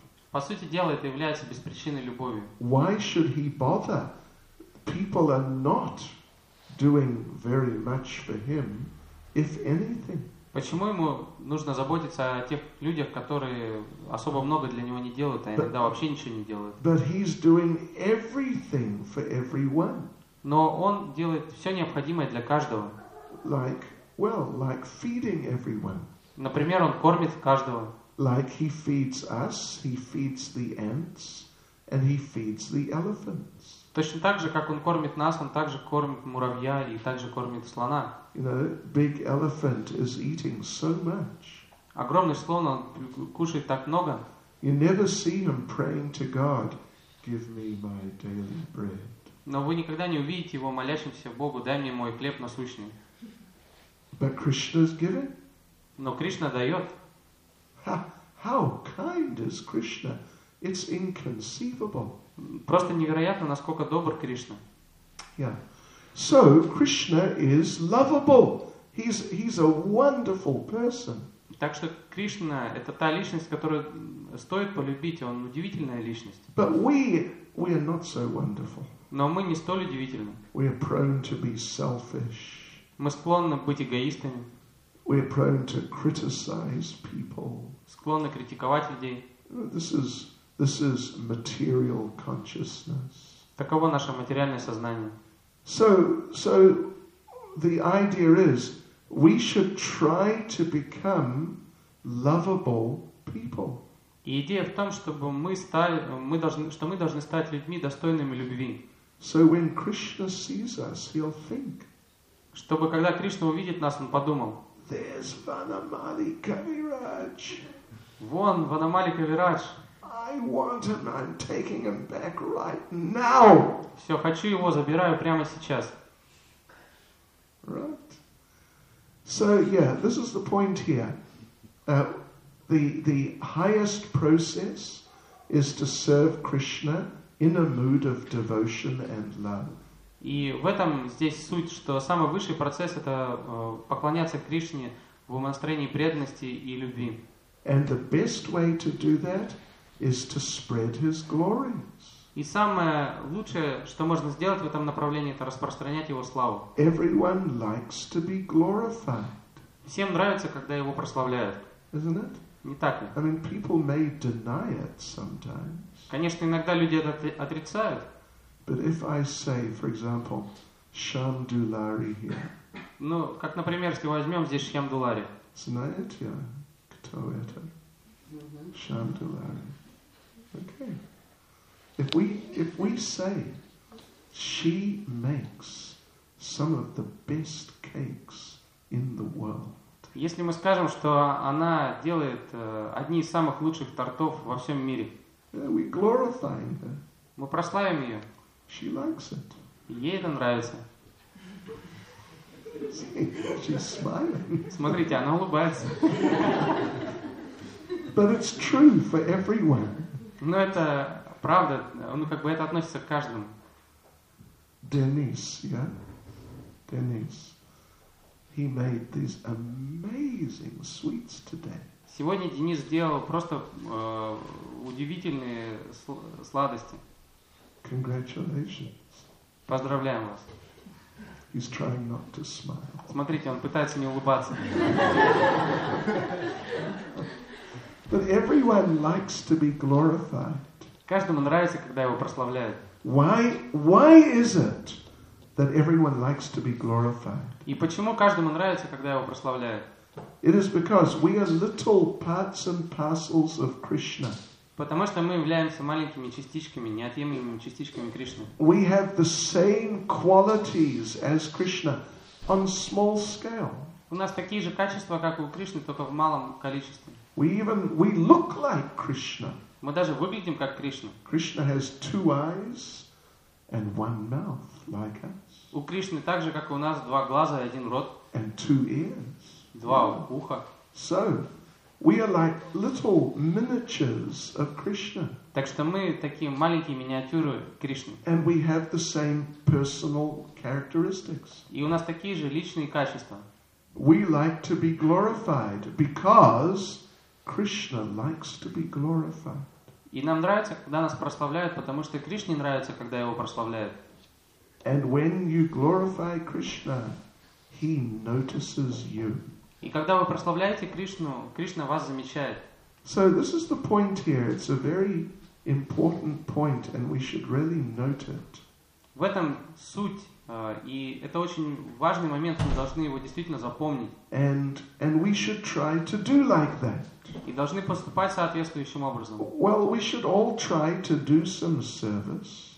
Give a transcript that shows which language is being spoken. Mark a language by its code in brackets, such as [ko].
[ru] По сути дела, это является беспричинной любовью. [en] Why should he bother? People are not doing very much for him, if anything. [ru] Почему ему нужно заботиться о тех людях, которые особо много для него не делают, а иногда вообще ничего не делают? [en] But he's doing everything for everyone. [ru] Но он делает все необходимое для каждого. [en] Like feeding everyone. [ru] Например, он кормит каждого. [en] Like he feeds us, he feeds the ants, and he feeds the elephants. [ru] Точно так же, как он кормит нас, он также кормит муравья и также кормит слона. [en] You know, big elephant is eating so much. [ru] Огромный слон, он кушает так много. [en] You never see him praying to God, give me my daily bread. [ru] Но вы никогда не увидите его молящимся Богу, дай мне мой хлеб насущный. [en] But Krishna's giving. [ru] Но Кришна дает. [en] How kind is Krishna? It's inconceivable. [ru] Просто невероятно, насколько добр Кришна. [en] Yeah. So Krishna is lovable. He's a wonderful person. [ru] Так что Кришна это та личность, которую стоит полюбить. Он удивительная личность. [en] But we are not so wonderful. [ru] Но мы не столь удивительны. [en] We are prone to be selfish. [ru] Мы склонны быть эгоистами. [en] We are prone to criticize people. [ru] Склонны критиковать людей. [en] This is material consciousness. [ru] Таково наше материальное сознание. [en] So the idea is we should try to become lovable people. [ru] И идея в том, чтобы мы должны стать людьми достойными любви. [en] So when Krishna sees us, he'll think. [ru] Чтобы когда Кришна увидит нас, он подумал. [en] There's Vanamali Kaviraj. [ru] Вон Ванамали Кавирадж. [en] I want him. I'm taking him back right now. [ru] Все, хочу его, забираю прямо сейчас. [en] Right. So yeah, this is the point here. The highest process is to serve Krishna in a mood of devotion and love. [ru] И в этом здесь суть, что самый высший процесс – это поклоняться Кришне в умонастроении преданности и любви. [en] And the best way to do that is to spread His glories. [ru] И самое лучшее, что можно сделать в этом направлении, это распространять Его славу. [en] Everyone likes to be glorified. [ru] Всем нравится, когда Его прославляют. [en] Isn't it? [ru] Не так ли? [en] I mean, people may deny it sometimes. [ru] Конечно, иногда люди это отрицают. [en] But if I say, for example, Shyam Dulari here. [ru] Ну, как, например, если возьмем здесь Shyam Dulari. Знаете, кто это? Shyam Dulari. Okay. [en] If we say, she makes some of the best cakes in the world. [ru] Если мы скажем, что она делает одни из самых лучших тортов во всем мире, [en] we glorify her. [ru] Мы прославим ее. [en] She likes it. [ru] Ей это нравится. [en] See, she's smiling. [ru] Смотрите, она улыбается. [en] But it's true for everyone. [ru] Но это правда, ну как бы это относится к каждому. [en] Denise, yeah? Denise. He made these amazing sweets today. [ru] Сегодня Денис сделал просто удивительные сладости. [en] Congratulations. [ru] Поздравляем вас. [en] He's trying not to smile. [ru] Смотрите, он пытается не улыбаться. [en] But everyone likes to be glorified. [ru] Каждому нравится, когда его прославляют. [en] Why is it that everyone likes to be glorified? [ru] И почему каждому нравится, когда его прославляют? [en] It is because we are little parts and parcels of Krishna. [ru] Потому что мы являемся маленькими частичками, неотъемлемыми частичками Кришны. [en] We have the same qualities as Krishna on small scale. [ru] У нас такие же качества, как у Кришны, только в малом количестве. [en] We look like Krishna. [ru] Мы даже выглядим как Кришна. [en] Krishna has two eyes and one mouth like us. [ru] У Кришны так же, как у нас, два глаза и один рот. [en] And two ears. [ru] Два уха. [en] So, we are like little miniatures of Krishna. [ru] Так что мы такие маленькие миниатюры Кришны. [en] And we have the same personal characteristics. [ru] И у нас такие же личные качества. [en] We like to be glorified because Krishna likes to be glorified. [ru] И нам нравится, когда нас прославляют, потому что Кришне нравится, когда его прославляют. [en] And when you glorify Krishna, he notices you. [ru] И когда вы прославляете Кришну, Кришна вас замечает. [en] So this is the point here. It's a very important point, and we should really note it. [ru] В этом суть, и это очень важный момент. Мы должны его действительно запомнить. [en] And we should try to do like that. [ru] И должны поступать соответствующим образом. [en] Well, we should all try to do some service.